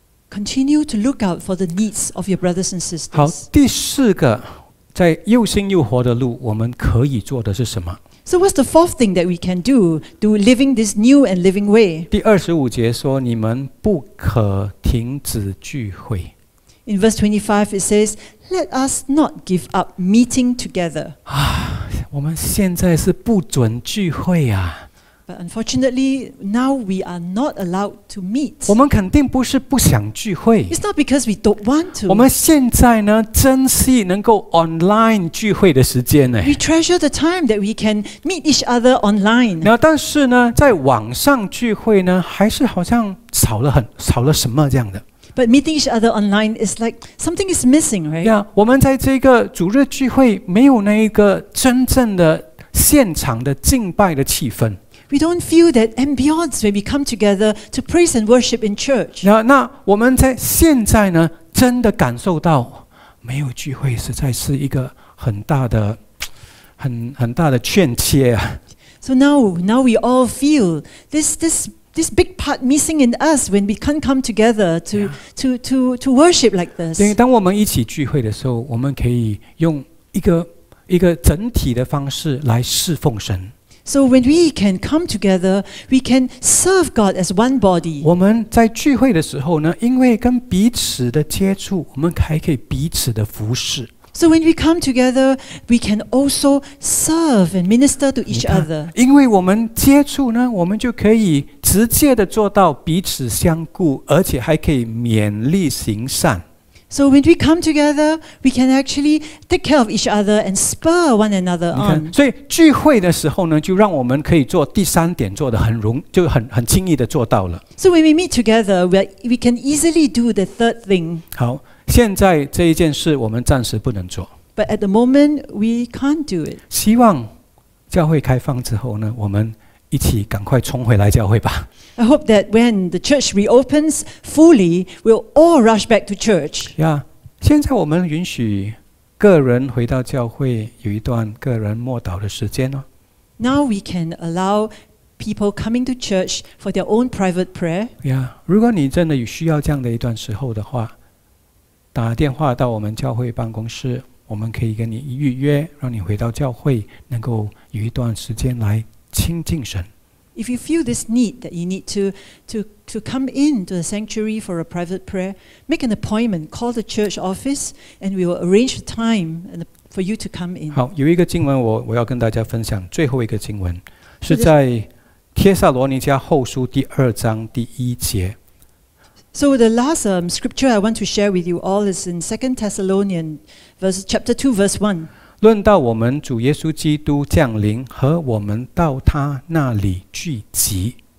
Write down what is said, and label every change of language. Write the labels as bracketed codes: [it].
[en] Continue to look out for the needs of your brothers and sisters. [zh] 好，第四个，在又新又活的路，我们可以做的是什么？ [en] So what's the fourth thing that we can do to living this new and living way? [zh] 第二十五节说，你们不可停止聚会。 [en] In verse 25, it says, "Let us not give up meeting together." [zh] 啊，我们现在是不准聚会啊。 [en] But unfortunately, now we are not allowed to meet. [zh] 我们肯定不是不想聚会。 [en] It's not because we don't want to. [zh] 我们现在呢，珍惜能够 online 聚会的时间呢。 [en] We treasure the time that we can meet each other online. [zh] 那但是呢，在网上聚会呢，还是好像少了很少了什么这样的。 [en] But meeting each other online is like something is missing, right? [zh] Yeah, 我们在这个主日聚会没有那一个真正的现场的敬拜的气氛。 [en] We don't feel that ambiance when we come together to praise and worship in church. [zh] 那我们在现在呢，真的感受到没有聚会实在是一个很大的、很大的欠缺啊。 [en] So now we all feel this big part missing in us when we can't come together to worship like this. [zh] 因为当我们一起聚会的时候，我们可以用一个整体的方式来侍奉神。 [en] So when we can come together, we can serve God as one body. [zh] 我们在聚会的时候呢，因为跟彼此的接触，我们还可以彼此的服侍。 [en] So when we come together, we can also serve and minister to each other. [zh] 因为我们接触呢，我们就可以直接的做到彼此相顾，而且还可以勉励行善。 [en] So when we come together, we can actually take care of each other and spur one another on. [zh] 所以聚会的时候呢，就让我们可以做第三点，做得很容，就很轻易的做到了。 [en] So when we meet together, we can easily do the third thing. [zh] 好，现在这一件事我们暂时不能做。 [en] But at the moment, we can't do it. [zh] 希望教会开放之后呢，我们一起赶快冲回来教会吧。 [en] I hope that when the church reopens fully, we'll all rush back to church. [zh] Yeah, 现在我们允许个人回到教会有一段个人默祷的时间哦。 [en] Now we can allow people coming to church for their own private prayer. [zh] Yeah, 如果你真的有需要这样的一段时候的话，打电话到我们教会办公室，我们可以跟你预约，让你回到教会能够有一段时间来亲近神。 [en] If you feel this need that you need to come into the sanctuary for a private prayer, make an appointment, call the church office, and we will arrange the time for you to come in. [zh] 好，有一个经文我要跟大家分享，最后一个经文是在《帖撒罗尼迦后书》第二章第一节。 [en] So the last scripture I want to share with you all is in 2 Thessalonians chapter 2 verse 1. [zh] 论到我们主耶稣基督降临和我们到他那里聚集。